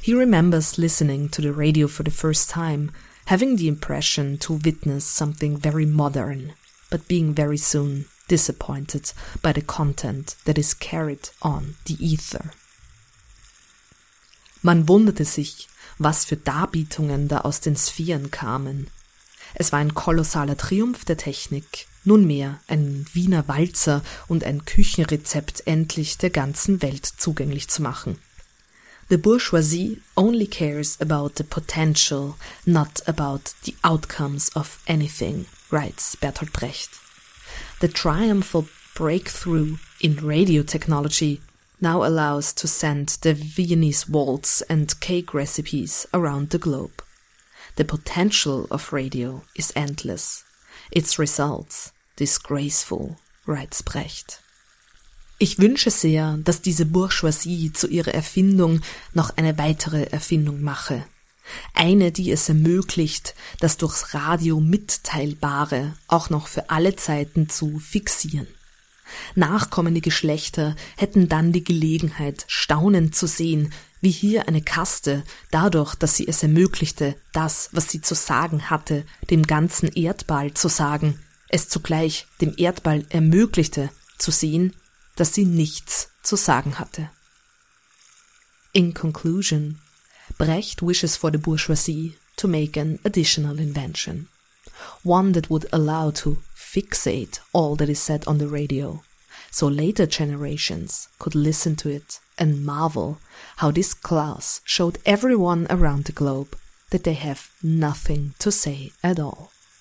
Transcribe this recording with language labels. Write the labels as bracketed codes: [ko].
[en] He remembers listening to the radio for the first time, having the impression to witness something very modern, but being very soon disappointed by the content that is carried on the ether. [de] Man wunderte sich, was für Darbietungen da aus den Sphären kamen. Es war ein kolossaler Triumph der Technik, nunmehr ein Wiener Walzer und ein Küchenrezept endlich der ganzen Welt zugänglich zu machen. [en] The bourgeoisie only cares about the potential, not about the outcomes of anything, writes Bertolt Brecht. The triumphal breakthrough in radio technology now allows to send the Viennese waltz and cake recipes around the globe. The potential of radio is endless, its results disgraceful, writes Brecht. [de] Ich wünsche sehr, dass diese Bourgeoisie zu ihrer Erfindung noch eine weitere Erfindung mache, Eine, die es ermöglicht, das durchs Radio Mitteilbare auch noch für alle Zeiten zu fixieren. Nachkommende Geschlechter hätten dann die Gelegenheit, staunend zu sehen, wie hier eine Kaste, dadurch, dass sie es ermöglichte, das, was sie zu sagen hatte, dem ganzen Erdball zu sagen, es zugleich dem Erdball ermöglichte, zu sehen, dass sie nichts zu sagen hatte. [en] In conclusion, Brecht wishes for the bourgeoisie to make an additional invention, one that would allow to fixate all that is said on the radio, so later generations could listen to it and marvel how this class showed everyone around the globe that they have nothing to say at all.